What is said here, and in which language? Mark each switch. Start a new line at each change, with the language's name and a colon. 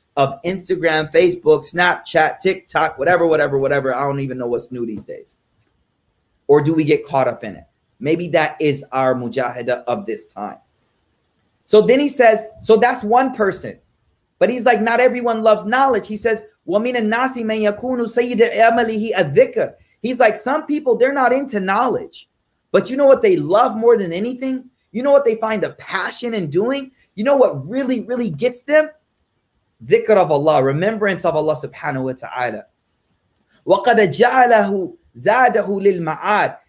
English: of Instagram, Facebook, Snapchat, TikTok, whatever, whatever, whatever. I don't even know what's new these days. Or do we get caught up in it? Maybe that is our mujahida of this time. So then he says, so that's one person. But he's like, not everyone loves knowledge. He says,
Arabic: وَمِنَ النَّاسِ مَنْ يَكُونُ سَيِّدِ عَمَلِهِ الذِّكَرِ.
English: He's like, some people, they're not into knowledge. But you know what they love more than anything? You know what they find a passion in doing? You know what really, really gets them? Dhikr of Allah, remembrance of Allah subhanahu wa ta'ala.
Arabic: وَقَدْ جَعَلَهُ زَادَهُ لِلْمَعَادِ.